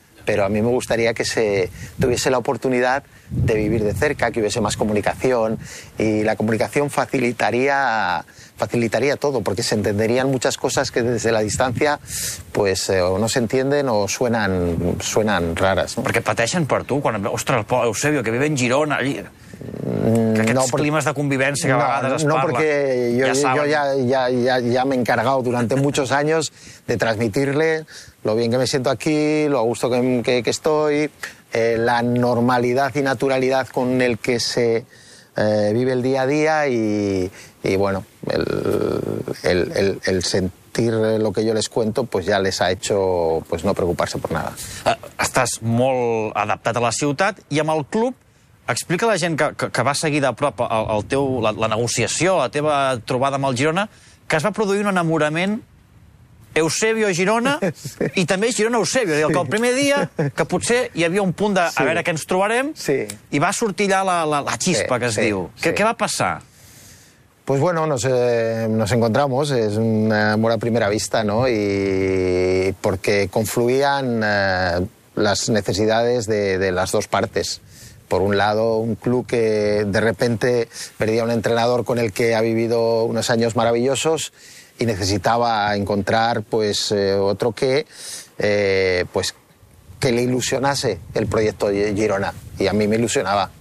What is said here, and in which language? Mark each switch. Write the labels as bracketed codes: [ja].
[es] Pero a mí me gustaría que se tuviese la oportunidad de vivir de cerca, que hubiese más comunicación, y la comunicación facilitaría todo, porque se entenderían muchas cosas que desde la distancia pues o no se entienden o suenan raras, ¿no? [ca] Perquè pateixen per tu quan, ostres, el pobre Eusebio [es] que vive en Girona allí. [ca] Climes de convivència que a vegades es parla. No, perquè jo ja m'he encargat durant molts anys de transmitir-li [es] lo bien que me siento aquí, lo a gusto que estoy, la normalidad y naturalidad con el que se vive el día a día y bueno, el sentir lo que yo les cuento pues ya les ha hecho pues no preocuparse por nada. [ca] Estàs molt adaptat a la ciutat i amb el club. Explica a la gent que va seguir de prop la negociació, la teva trobada amb el Girona, que es va produir un enamorament Eusebio Girona, sí. I també Girona Eusebio, sí. Que el primer dia que potser hi havia un punt de, sí, a veure què ens trobarem, sí, i va sortir allà la xispa, sí, que es, sí, diu. Sí. Què va passar? [es] Pues bueno, nos encontramos, es un amor a primera vista, ¿no? Y porque confluían las necesidades de las dos partes. Por un lado, un club que de repente perdía un entrenador con el que ha vivido unos años maravillosos y necesitaba encontrar pues otro que pues que le ilusionase el proyecto Girona, y a mí me ilusionaba.